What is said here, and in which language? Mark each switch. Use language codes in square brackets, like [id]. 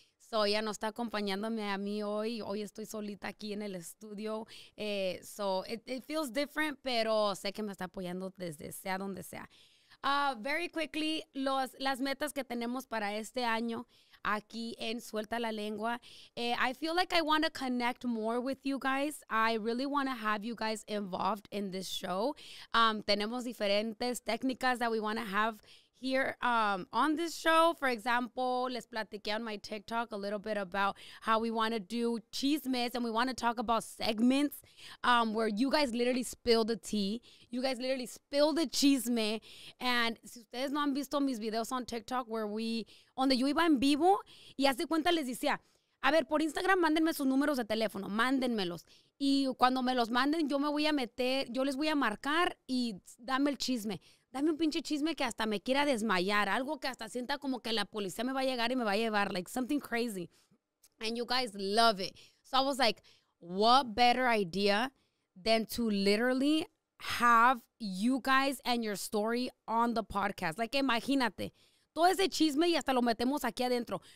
[es] So ella no está acompañándome a mí hoy. Hoy estoy solita aquí en el estudio. So [en] it feels different, [es] pero sé que me está apoyando desde sea donde sea. [en] Very quickly, [es] las metas que tenemos para este año aquí en Suelta la Lengua. [en] I feel like I want to connect more with you guys. I really want to have you guys involved in this show. [es] Tenemos diferentes técnicas [en] that we want to have here on this show. For example, [es] les platiqué [en] on my TikTok a little bit about how we want to do chismes, and we want to talk about segments where you guys literally spill the tea. You guys literally spill the chisme. And [es] si ustedes no han visto mis videos [en] on TikTok where we, [es] donde yo iba en vivo, y hace cuenta les decía, a ver, por Instagram, mándenme sus números de teléfono, mándenmelos. Y cuando me los manden, yo me voy a meter, yo les voy a marcar y dame el chisme. Dame un pinche chisme que hasta me quiera desmayar. Algo que hasta sienta como que la policía me va a llegar y me va a llevar. [en] Like something crazy. And you guys love it. So I was like, what better idea than to literally have you guys and your story on the podcast. [es] Like imagínate. Todo ese chisme y hasta lo metemos aquí adentro.